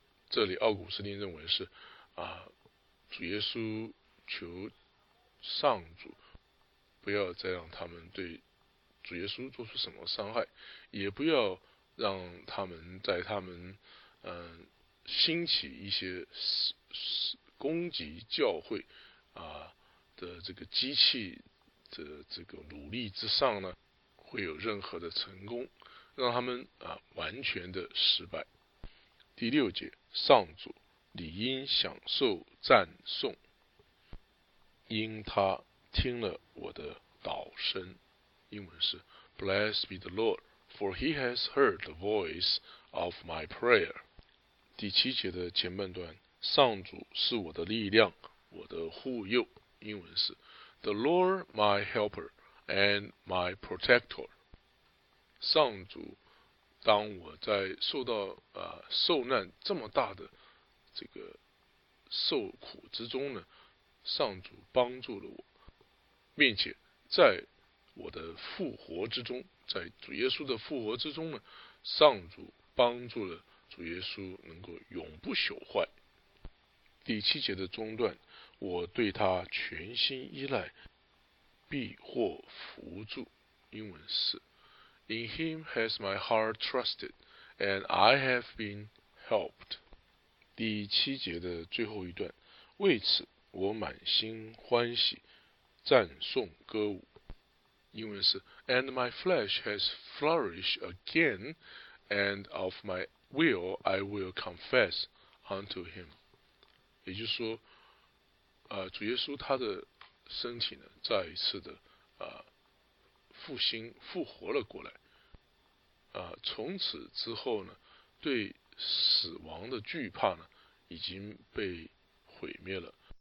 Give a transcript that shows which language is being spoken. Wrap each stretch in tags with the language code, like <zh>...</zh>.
<zh>这里奥古斯丁认为是主耶稣求上主不要再让他们对主耶稣做出什么伤害，也不要让他们在他们兴起一些攻击教会的这个机器的这个努力之上呢会有任何的成功，让他们完全的失败。第六节，上主理应享受赞颂，因他听了我的祷声。英文是</zh> <en>Blessed be the Lord, for he has heard the voice of my prayer。</en> <zh>第七节的前半段，上主是我的力量，我的护佑。英文是</zh> <en>The Lord my helper and my protector。</en> <zh>上主当我在受到受难这么大的这个受苦之中呢，上主帮助了我，并且在我的复活之中，在主耶稣的复活之中呢，上主帮助了主耶稣能够永不朽坏。第七节的中段，我对他全心依赖，必获扶助。英文是</zh> <en>In him has my heart trusted, and I have been helped。</en> <zh>第七节的最后一段，为此我满心欢喜，赞颂歌舞。英文是</zh> <en>And my flesh has flourished again, and of my will I will confess unto him。</en> <zh>也就是说主耶稣他的身体呢再一次的复兴复活了过来。从此之后呢对死亡的惧怕呢已经被毁灭了。</zh>